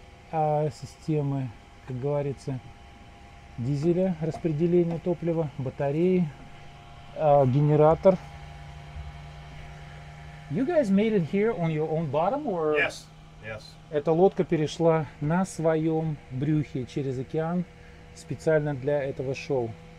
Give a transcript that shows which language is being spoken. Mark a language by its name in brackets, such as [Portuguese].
[Russian] Системы, как говорится, дизеля, распределение топлива, батареи, генератор. [English] You guys made it here on your own bottom, or? Yes, yes. [Russian] Эта лодка перешла на своем брюхе через океан специально для этого шоу.